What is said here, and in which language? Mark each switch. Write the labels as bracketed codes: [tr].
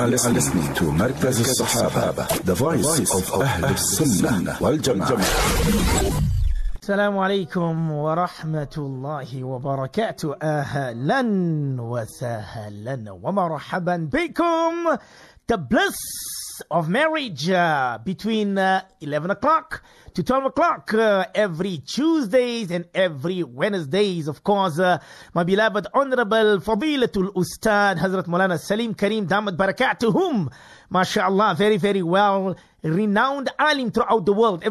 [en] listening to مركز الصحابة. The voice of أهل السنة والجماعة. [ar] السلام عليكم ورحمة الله وبركاته. أهلاً وسهلاً ومرحباً بكم. [en] The bliss of marriage between 11 o'clock to 12 o'clock every Tuesdays and every Wednesdays. Of course, my beloved Honorable Fadilatul Ustad Hazrat Mulana Salim Karim Damat Barakatuhum, MashaAllah, very, very well renowned alim throughout the world.